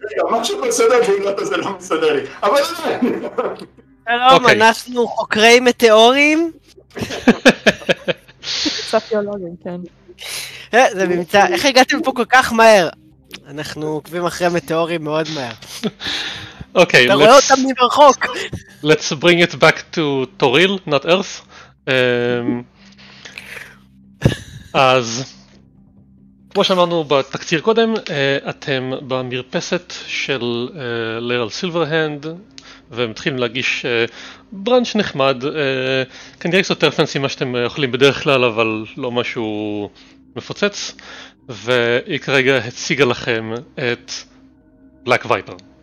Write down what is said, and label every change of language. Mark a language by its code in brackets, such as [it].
[he] משהו בסדר, בגלל זה לא מסדר לי. אבל זה... שלום, אנחנו חוקרי מטאורים. ספיולוגים, כן. זה ממצא, איך הגעתם פה כל כך מהר? אנחנו עוקבים אחרי מטאורים מאוד מהר. אוקיי, אתה רואה אותם מרחוק. [en] Let's bring it back to Toril, not Earth. [he] אז כמו שאמרנו בתקציר קודם, אתם במרפסת של לירל סילברהנד, ומתחילים להגיש ברנץ' נחמד, כנראה קצת יותר פנסי מה שאתם אוכלים בדרך כלל, אבל לא משהו מפוצץ, והיא כרגע הציגה לכם את בלק וייפר.